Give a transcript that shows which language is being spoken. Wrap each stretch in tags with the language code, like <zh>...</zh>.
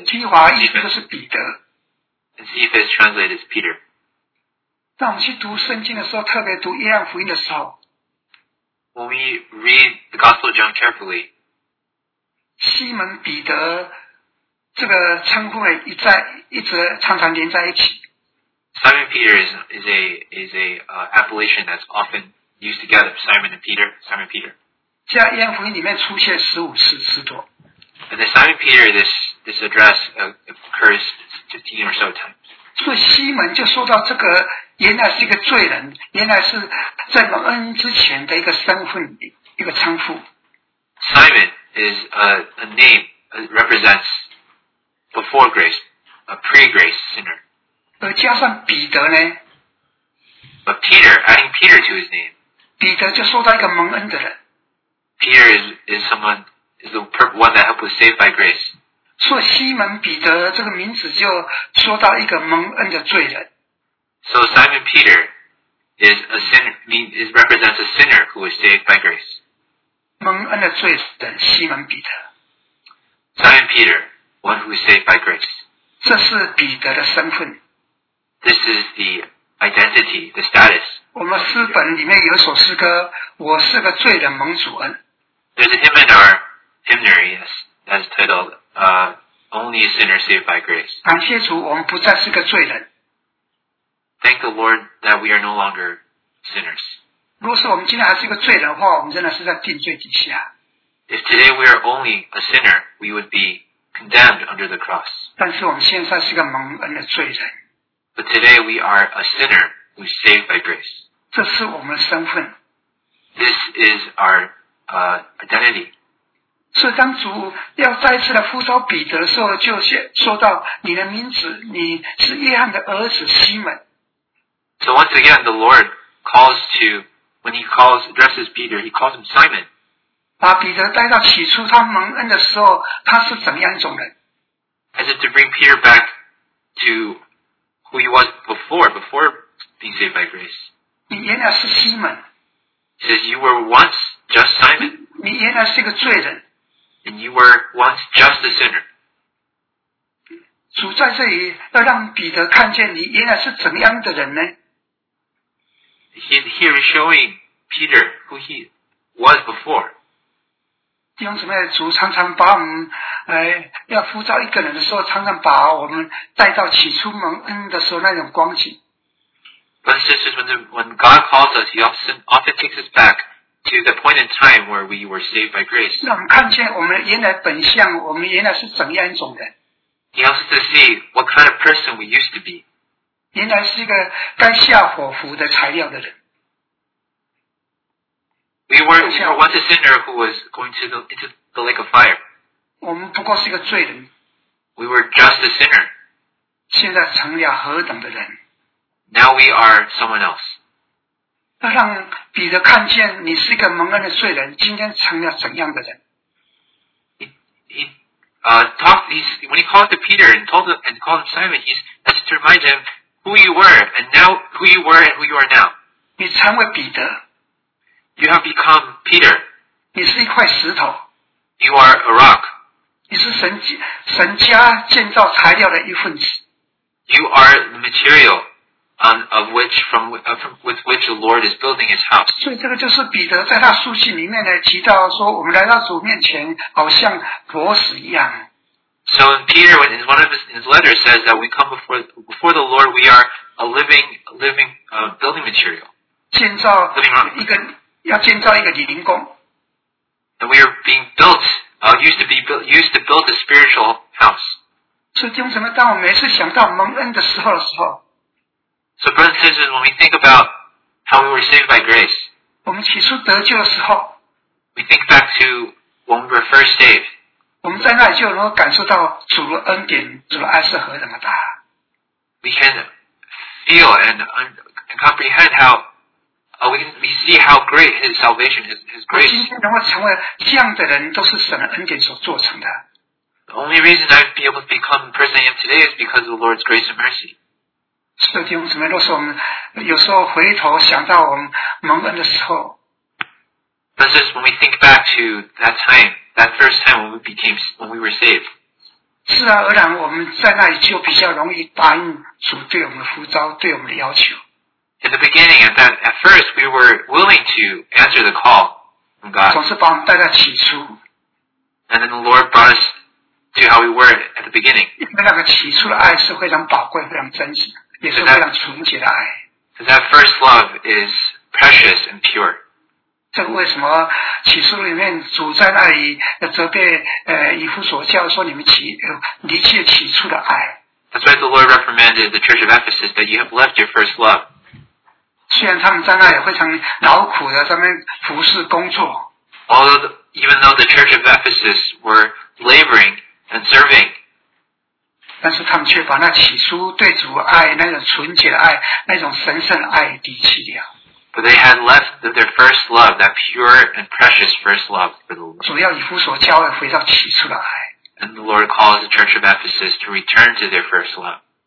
<zh>Cephas. 基法意思就是彼得。</zh> <en>And Cephas translated as Peter.</en> <zh>当我们去读圣经的时候，特别读约翰福音的时候</zh> <en>，When we read the Gospel of John carefully，</en> <zh>西门彼得这个称呼呢，一直常常连在一起。</zh> <en>Simon Peter is a appellation that's often used together. Simon and Peter, Simon Peter.</en> <zh>在约翰福音里面出现15次之多。</zh> <en>And then Simon Peter, this address occurs 15 or so times.</en> <zh>所以西门就说到这个。原来是一个罪人，原来是在蒙恩之前的一个身份，一个称呼。</zh> <en>Simon is a name that represents before grace, a pre-grace sinner.</en> <zh>而加上彼得呢</zh> <en>？But Peter, adding Peter to his name.</en> <zh>彼得就说到一个蒙恩的人。</zh> <en>Peter is the one that helped was saved by grace.</en> <zh>所以西门彼得这个名字就说到一个蒙恩的罪人。</zh> <en>So Simon Peter is a sinner. Means represents a sinner who was saved by grace.</en> <zh>蒙恩的罪人西门彼得。</zh> <en>Simon Peter, one who was saved by grace.</en> <zh>这是彼得的身份。</zh> <en>This is the identity, the status.</en> <zh>我们诗本里面有一首诗歌，我是个罪人蒙主恩。</zh> <en>There's a hymn in our hymnary, yes, that's titled "Only a Sinner Saved by Grace."</en> <zh>感谢主，我们不再是个罪人。</zh> <en>Thank the Lord that we are no longer sinners.</en> <zh>如果是我们今天还是一个罪人的话，我们真的是在定罪底下。</zh> <en>If today we are only a sinner, we would be condemned under the cross.</en> <zh>但是我们现在是一个蒙恩的罪人。</zh> <en>But today we are a sinner who is saved by grace.</en> <zh>这是我们的身份。</zh> <en>This is our identity.</en> <zh>所以当主要再次的呼召彼得的时候，就说到你的名字，你是约翰的儿子西门。</zh> <en>So once again, the Lord calls to when he calls addresses Peter, he calls him Simon.</en> <zh>把彼得带到起初他蒙恩的时候，他是怎么样一种人</zh> <en>？As if to bring Peter back to who he was before being saved by grace.</en> <zh>你原来是西门。</zh> <en>He says you were once just Simon.</en> <zh>你原来是一个罪人。</zh> <en>And you were once just a sinner.</en> <zh>主在这里要让彼得看见你原来是怎么样的人呢？</zh> <en>Here is showing Peter who he was before.</en> <zh>弟兄姊妹，主常常把我们要呼召一个人的时候，常常把我们带到起初蒙恩的时候那种光景。</zh> <en>But sisters, when God calls us, He often takes us back. To the point in time where we were saved by grace.</en> <zh>让我们看见我们原来本相，我们原来是怎样一种人。</zh> <en>He helps us to see what kind of person we used to be.</en> <zh>原来是一个该下火符的材料的人。</zh> <en>We were once a sinner who was going to the lake of fire.</en> <zh>我们不过是一个罪人。</zh> <en>We were just a sinner.</en> <zh>现在成了何等的人。</zh> <en>Now we are someone else.</en> <zh>要让彼得看见你是一个蒙恩的罪人，今天成了怎样的人</zh> <en>When he called to Peter and told him, and called him Simon, he's that's to remind him who you were and now who you were and who you are now.</en> <zh>你成为彼得。</zh> <en>You have become Peter.</en> <zh>你是一块石头。</zh> <en>You are a rock.</en> <zh>你是神家建造材料的一份子。</zh> <en>You are the material. With which the Lord is building His house.</en> <zh>所以这个就是彼得在他书信里面呢提到说，我们来到主面前，好像活死一样。</zh> <en>So in Peter, in one of his letters, says that we come before the Lord, we are a living building material.</en> <zh>建造一个要建造一个灵宫。</zh> <en>And we are being built, used to build a spiritual house.</en> <zh>所以弟兄姊妹，当我每次想到蒙恩的时候的时候。</zh> <en>So brothers and sisters, when we think about how we were saved by grace,</en> <zh>我们起初得救的时候</zh> <en>we think back to when we were first saved.</en> <zh>我们在那里就能够感受到主的恩典，主的爱是何等的大。</zh> <en>We can feel and comprehend how, we see how great His salvation, His grace.</en> <zh>今天能够成为这样的人，都是神的恩典所做成的。</zh> <en>The only reason I'd be able to become the person I am today is because of the Lord's grace and mercy.</en> <zh>所以弟兄姊妹，若是我们有时候回头想到我们蒙恩的时候</zh> <en>，This is when we think back to that time, that first time when we became, when we were saved.</en> <zh>自然而然，我们在那里就比较容易答应主对我们的呼召，对我们的要求。</zh> <en>In the beginning, at first, we were willing to answer the call from God.</en> <zh>总是把我们带到起初。</zh> <en>And then the Lord brought us to how we were at the beginning.</en> <zh>因为那个起初的爱是非常宝贵、非常珍惜。也是非常纯洁的爱。</zh> <en>So that first love is precious and pure.</en> <zh>这为什么启示录里面主在那里责备以弗所教说你们离弃起初的爱。</zh> <en>That's why the Lord reprimanded the church of Ephesus that you have left your first love.</en> <zh>虽然他们在那里非常劳苦的在那边服侍工作。</zh> <en>Although even though the church of Ephesus were laboring and serving.</en> <zh>但是他们却把那起初对主的爱那种纯洁的爱那种神圣的爱离弃掉</zh> <en>But they had left their first love that pure and precious first love for the Lord</en> <zh>主要以弗所教会回到起初的爱</zh> <en>And the Lord calls the church of Ephesus to return to their first love</en>